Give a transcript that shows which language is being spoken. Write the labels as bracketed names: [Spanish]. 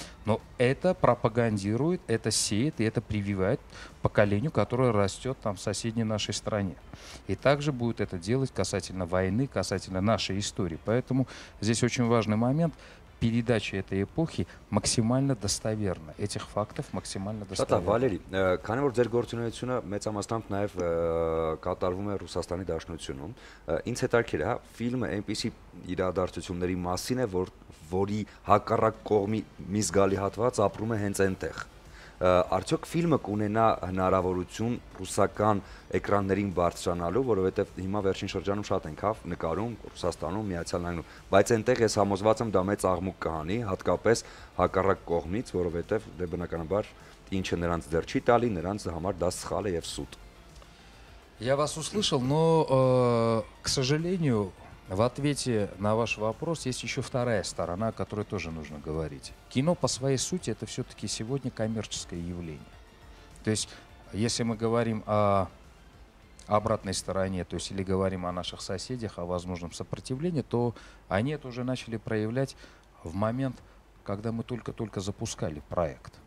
[Russian] Но это пропагандирует, это сеет и это прививает поколению, которое растет там в соседней нашей стране. И также будет это делать касательно войны, касательно нашей истории. Поэтому здесь очень важный момент – передача этой эпохи максимально достоверна, этих фактов максимально достоверно. [Armenian] Да, Валерий, քանի որ ձեր գործունեությունը մեծամասնությամբ նաև կատարվում է Ռուսաստանի Դաշնությունում, ինձ հետաքրքիր է, ֆիլմը այնպիսի իրադարձությունների մասին է, որի հակառակ կողմի մի զգալի հատված ապրում է հենց այնտեղ։ Արդյոք ֆիլմը կունենա հնարավորություն ռուսական էկրաններին բարձրանալու, որովհետև հիմա վերջին շրջանում շատ ենք հավ նկարում Ռուսաստանում, Միացյալ Նահանգներում, բայց այնտեղ ես համոզված եմ, դա մեծ աղմուկ կհանի, հատկապես հակառակ կողմից, որովհետև դե բնականաբար ինչը նրանց դեռ չի տալի, նրանց համար դա սխալ է եւ սուտ։ [Russian] Я вас услышал, но, к сожалению, в ответе на ваш вопрос есть еще вторая сторона, о которой тоже нужно говорить. Кино по своей сути это все-таки сегодня коммерческое явление. То есть, если мы говорим о обратной стороне, то есть или говорим о наших соседях, о возможном сопротивлении, то они это уже начали проявлять в момент, когда мы только-только запускали проект.